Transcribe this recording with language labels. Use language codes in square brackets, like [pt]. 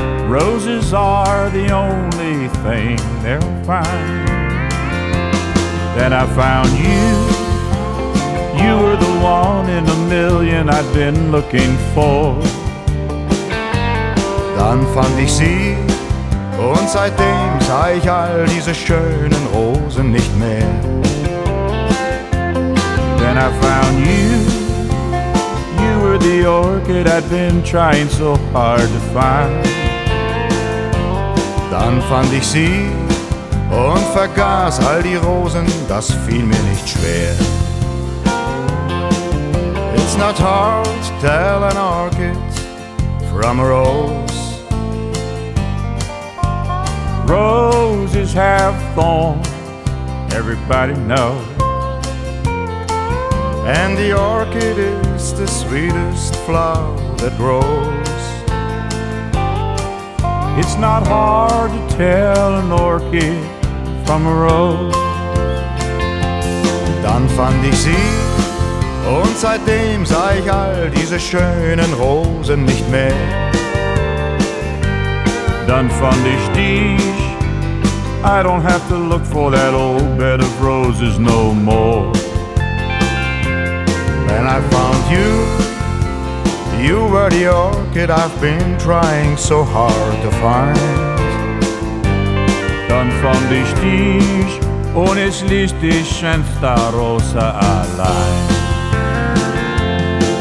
[en] Roses are the only thing they'll find. Then I found you. You were the one in a million I'd been looking for. [de] Dann fand ich sie. Und seitdem sah ich all diese schönen Rosen nicht mehr. [en] Then I found you. You were the orchid I'd been trying so hard to find. [de] Dann fand ich sie und vergaß all die Rosen, das fiel mir nicht schwer. [en] It's not hard to tell an orchid from a rose. Roses have thorns, everybody knows. And the orchid is the sweetest flower that grows. It's not hard to tell an orchid from a rose. [de] Dann fand ich sie, und seitdem sah ich all diese schönen Rosen nicht mehr. Dann fand ich dich, [en] I don't have to look for that old bed of roses no more. Then I found you. You were the orchid I've been trying so hard to find. [de] Dann fand ich dich und es ließ dich schönste Rose allein.